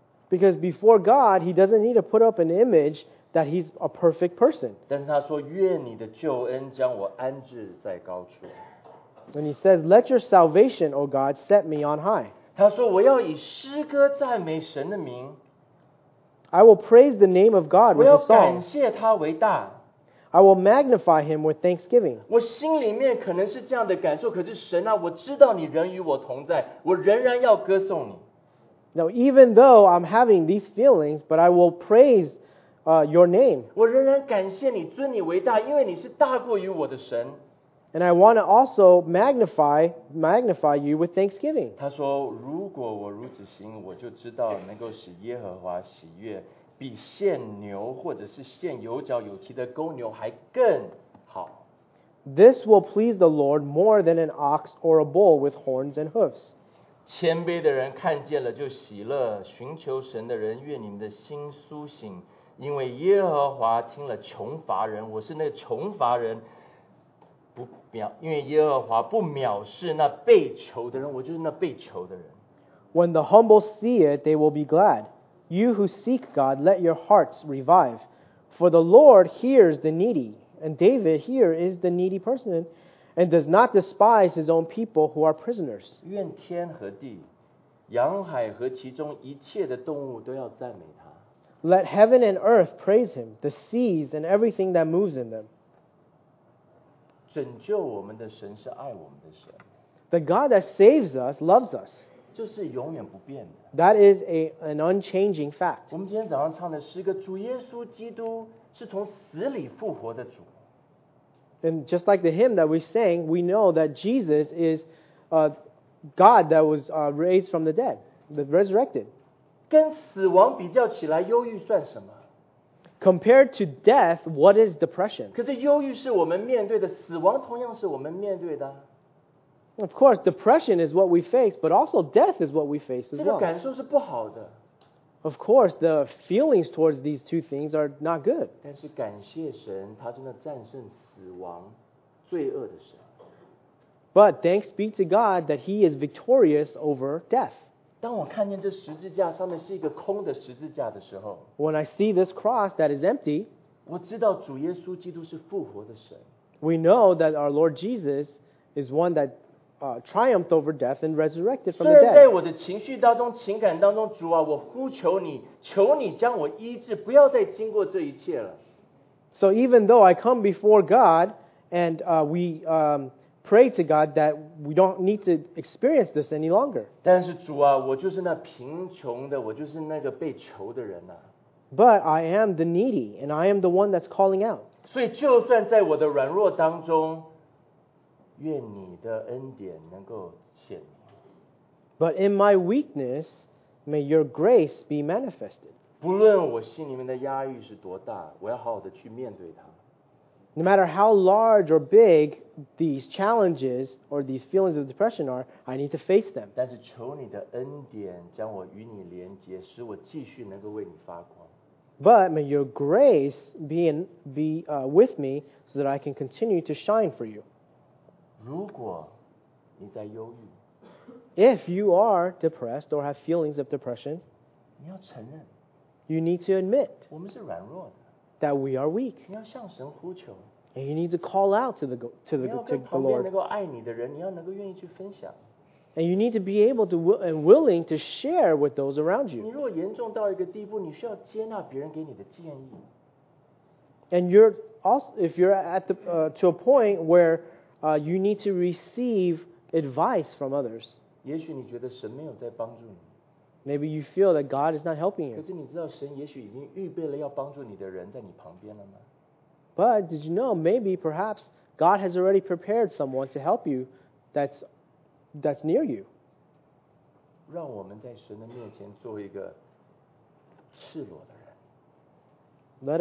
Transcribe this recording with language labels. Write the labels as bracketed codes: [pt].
[en] Because before God, he doesn't need to put up an image that he's a perfect person. [zh] 但是他说，愿你的救恩将我安置在高处。 [en] And he says, let your salvation, O God, set me on high. [zh] 他说，我要以诗歌赞美神的名。 [en] I will praise the name of God with a song. [zh] 我要感谢他为大。 [en] I will magnify him with thanksgiving. [zh] 我心里面可能是这样的感受，可是神啊，我知道你仍与我同在，我仍然要歌颂你。 [en] Now, even though I'm having these feelings, but I will praise your name. [zh] 我仍然感谢你，尊你为大，因为你是大过于我的神。 [en] And I want to also magnify you with thanksgiving. [zh] 他说，如果我如此行，我就知道能够使耶和华喜悦，比献牛或者是献有角有蹄的公牛还更好。 [en] This will please the Lord more than an ox or a bull with horns and hoofs. [zh] 谦卑的人看见了就喜乐，寻求神的人愿你们的心苏醒，因为耶和华听了穷乏人，我是那穷乏人，因为耶和华不藐视那被囚的人，我就是那被囚的人。 [en] When the humble see it, they will be glad. You who seek God, let your hearts revive. For the Lord hears the needy. And David here is the needy person and does not despise his own people who are prisoners. [zh] 愿天和地，洋海和其中一切的动物都要赞美他。 [en] Let heaven and earth praise him, the seas and everything that moves in them. [zh] 拯救我们的神是爱我们的神。 [en] The God that saves us loves us. [zh] 这是永远不变的。 [en] That is an unchanging fact. [zh] 我们今天早上唱的诗歌，主耶稣基督是从死里复活的主。 [en] And just like the hymn that we sang, we know that Jesus is a God that was raised from the dead, the resurrected. [zh] 跟死亡比较起来，忧郁算什么？ [en] Compared to death, what is depression? [zh] 可是忧郁是我们面对的，死亡同样是我们面对的。 [en] Of course, depression is what we face, but also death is what we face as well. [zh] 这个感受是不好的。 [en] Of course, the feelings towards these two things are not good. [zh] 但是感谢神，他真的战胜死亡、罪恶的神。 [en] But thanks be to God that he is victorious over death. [zh] 当我看见这十字架上面是一个空的十字架的时候， [en] When I see this cross that is empty, [zh] 我知道主耶稣基督是复活的神。 [en] We know that our Lord Jesus is one that triumphed over death and resurrected from the dead. [zh] 虽然在我的情绪当中、情感当中，主啊，我呼求你，求你将我医治，不要再经过这一切了。 [en] So even though I come before God and pray to God that we don't need to experience this any longer. [zh] 但是主啊，我就是那贫穷的，我就是那个被囚的人啊。 [en] But I am the needy and I am the one that's calling out. [zh] 所以就算在我的软弱当中。愿你的恩典能够显明。 [en] But in my weakness, may your grace be manifested. [zh] 不论我心里面的压抑是多大，我要好好的去面对它。 [en] No matter how large or big these challenges or these feelings of depression are, I need to face them. [zh] 但是求你的恩典将我与你连接，使我继续能够为你发光。 [en] But may your grace be with me so that I can continue to shine for you. [zh] 如果你在忧郁 [en] If you are depressed or have feelings of depression, [zh] 你要承认 [en] You need to admit [zh] 我们是软弱的 [en] That we are weak. [zh] 你要向神呼求 [en] And you need to call out to the Lord. [zh] 你要跟旁边能够爱你的人，你要能够愿意去分享 [en] And you need to be able to and willing to share with those around you. [zh] 你如果严重到一个地步，你需要接纳别人给你的建议 [en] And you're also if you're at the to a point where you need to receive advice from others. [zh] 也许你觉得神没有在帮助你。 [en] Maybe you feel that God is not helping you. [zh] 可是你知道神也许已经预备了要帮助你的人在你旁边了吗？ [en] But did you know maybe perhaps God has already prepared someone to help you that's near you. [zh] 让我们在神的面前做一个赤裸的人。